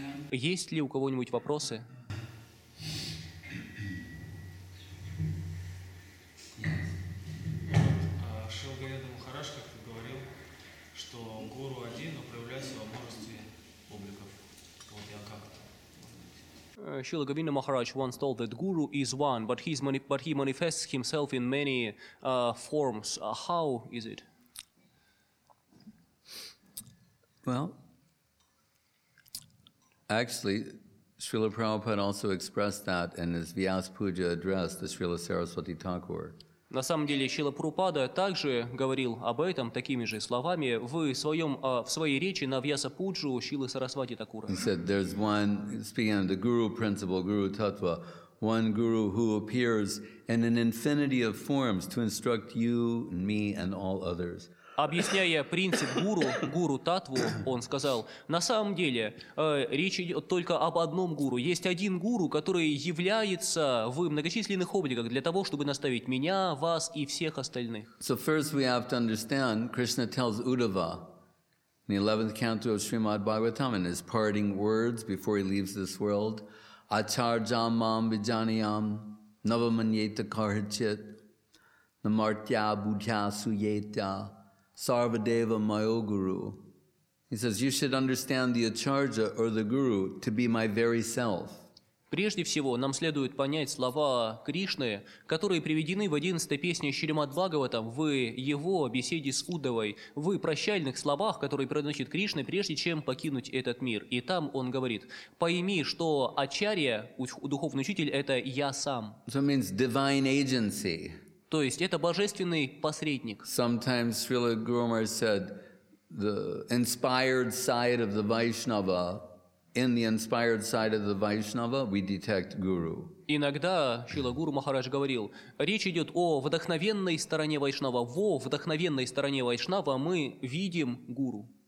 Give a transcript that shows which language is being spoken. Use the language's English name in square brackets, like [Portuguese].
[Russian] Есть ли у кого-нибудь вопросы? Шрила Говинда Махарадж как-то говорил, что гуру один, но проявляется во множестве обликов. Вот я как-то. [English] Srila Govinda Maharaj once told that Guru is one, but he manifests himself in many forms. How is it? Well, actually, Srila Prabhupada also expressed that in his Vyas Puja address to Srila Saraswati Thakur. [Russian] На самом деле, Шрила Прабхупада также говорил об этом такими же словами в своей речи на Вьяса-пуджу Шрилы Сарасвати Такура. [English] He said, there's one, speaking of the guru principle, guru tattva, one guru who appears in an infinity of forms to instruct you, me, and all others. [Russian] Объясняя принцип гуру, гуру татву, он сказал, на самом деле речь идет только об одном гуру. Есть один гуру, который является в многочисленных обликах для того, чтобы наставить меня, вас и всех остальных. [English] So first we have to understand, Krishna tells Uddhava in the 11th canto of Srimad Bhagavatam, in his parting words before he leaves this world, [Sanskrit] Acharjam mam vijaniyam navamanyeta karhachit namartya buddhya suyeta Sarvadeva Mayo Guru. [English] He says, you should understand the Acharya or the Guru to be my very self. [Russian] Прежде всего, нам следует понять слова Кришны, которые приведены в 11-й песне Шримад-Бхагаватам, в его беседе с Уддавой, в прощальных словах, которые произносит Кришна, прежде чем покинуть этот мир. И там он говорит: «Пойми, что Ачарья, духовный учитель, это я сам». [English] So means divine agency. [Russian] То есть это божественный посредник. [English] Sometimes Srila Guru Maharaj said, the inspired side of the Vaishnava, in the inspired side of the Vaishnava, we detect Guru. [Russian] Иногда Шрила Гуру Махарадж говорил, речь идет о вдохновенной стороне Вайшнава. Во вдохновенной стороне Вайшнава мы видим Гуру.